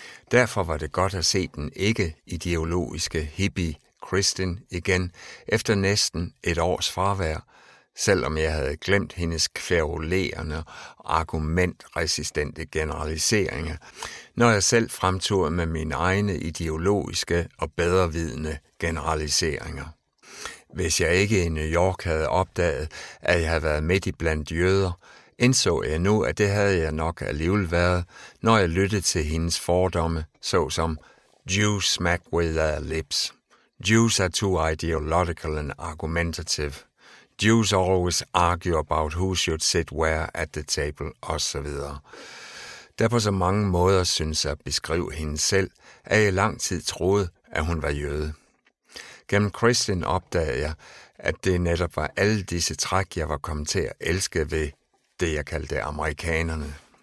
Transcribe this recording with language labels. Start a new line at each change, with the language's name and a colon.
Danish: Derfor var det godt at se den ikke-ideologiske hippie Kristin igen efter næsten et års fravær, selvom jeg havde glemt hendes kværolerende og argumentresistente generaliseringer, når jeg selv fremturede med mine egne ideologiske og bedrevidende generaliseringer. Hvis jeg ikke i New York havde opdaget, at jeg havde været midt i blandt jøder, indså jeg nu, at det havde jeg nok alligevel været, når jeg lyttede til hendes fordomme, såsom
English: Jews smack with their lips. Jews are too ideological and argumentative. Jews always argue about who should sit where at the table,
Danish: osv. Der på så mange måder synes jeg at beskrive hende selv, at jeg lang tid troede, at hun var jøde. Gennem Kristin opdagede jeg, at det netop var alle disse træk, jeg var kommet til at elske ved det, jeg kaldte amerikanerne.